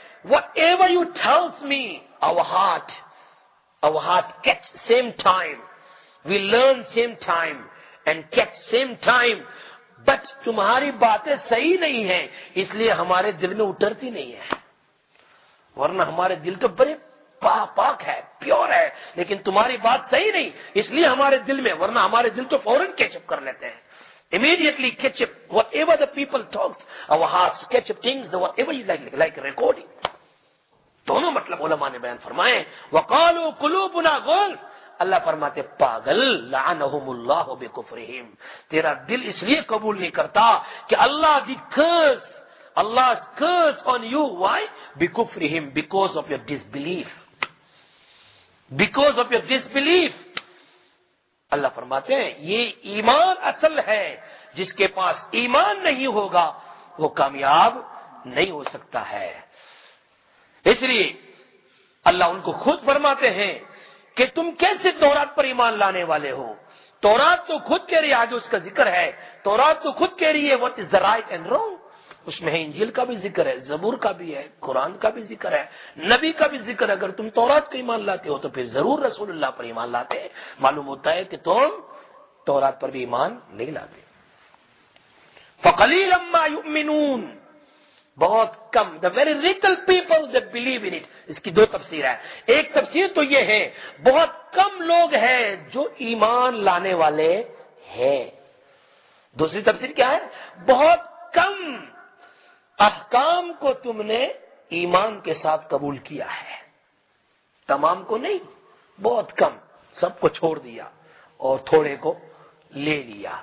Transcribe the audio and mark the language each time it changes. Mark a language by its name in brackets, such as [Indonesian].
[English] Whatever you tells me, our heart catch same time, we learn same time and catch same time, but [Urdu] تمہاری باتیں صحیح نہیں ہیں اس لیے ہمارے دل میں اترتی نہیں ہے. ورنہ ہمارے دل تو بڑے پاک ہے، پیور ہے، لیکن تمہاری بات صحیح نہیں اس لیے ہمارے دل میں، ورنہ ہمارے دل تو فوراً کیچ اپ کر لیتے ہیں. [English] Immediately catch up whatever the people talks, our hearts catch up things, whatever you like recording. [Urdu] دونوں مطلب علماء نے بیان فرمائے. [Arabic] وقالوا قلوبنا غلف، [Urdu] اللہ فرماتے پاگل، [Arabic] لعنهم اللہ بکفرهم، [Urdu] تیرا دل اس لیے قبول نہیں کرتا کہ [English] Allah the curse, Allah curse on you. Why? [Arabic] بکفرهم، [English] Because of your disbelief, because of your disbelief. [Urdu] اللہ فرماتے ہیں یہ ایمان اصل ہے، جس کے پاس ایمان نہیں ہوگا وہ کامیاب نہیں ہو سکتا ہے. اس لیے اللہ ان کو خود فرماتے ہیں کہ تم کیسے تورات پر ایمان لانے والے ہو، تورات تو خود کہہ رہی ہے، آج اس کا ذکر ہے، تورات تو خود کہہ رہی ہے [English] what is the right and wrong. [Urdu] اس میں ہے انجیل کا بھی ذکر ہے، زبور کا بھی ہے، قرآن کا بھی ذکر ہے، نبی کا بھی ذکر ہے. اگر تم تورات کا ایمان لاتے ہو تو پھر ضرور رسول اللہ پر ایمان لاتے، معلوم ہوتا ہے کہ تم تورات پر بھی ایمان نہیں لاتے. [Arabic] فقلیل ما یؤمنون، [Urdu] بہت کم، [English] The very little people they believe in it. [Urdu] اس کی دو تفسیر ہے، ایک تفسیر تو یہ ہے بہت کم لوگ ہیں جو ایمان لانے والے ہیں. دوسری تفسیر کیا ہے؟ بہت کم احکام کو تم نے ایمان کے ساتھ قبول کیا ہے، تمام کو نہیں، بہت کم، سب کو چھوڑ دیا اور تھوڑے کو لے لیا.